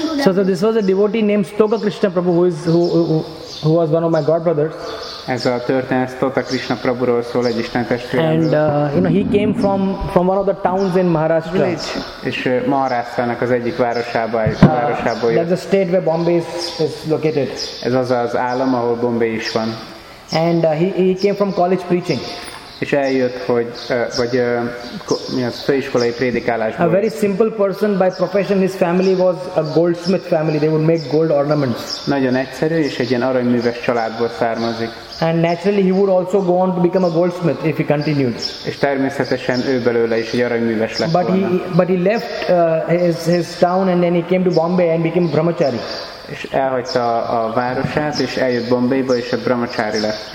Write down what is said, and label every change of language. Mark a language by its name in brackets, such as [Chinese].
[English] So this was a devotee named Stoka Krishna Prabhu, who was one of my godbrothers. [Hungarian] Ez a történet Stoka Krishna Prabhuról szól, egy Isten testvérről. [English] And he came from one of the towns in Maharashtra. Village. [Hungarian] És Maharashtra-nak az egyik városából jött. [English] That's the state where Bombay is located. [Hungarian] Ez az az állam, ahol Bombay is van. [English] And he came from college preaching. [Hungarian] És eljött, hogy főiskolai prédikálásból. [English] A very simple person by profession, his family was a goldsmith family. They would make gold ornaments. [Hungarian] Nagyon egyszerű, és egy ilyen aranyműves családból származik. And naturally he would also go on to become a goldsmith if he continued. És természetesen ő belőle is egy aranyműves lett volna. [English] But he left his town and then he came to Bombay and became brahmachari. [Hungarian] És elhagyta a városát, és eljött Bombayba, és egy brahmachari lett.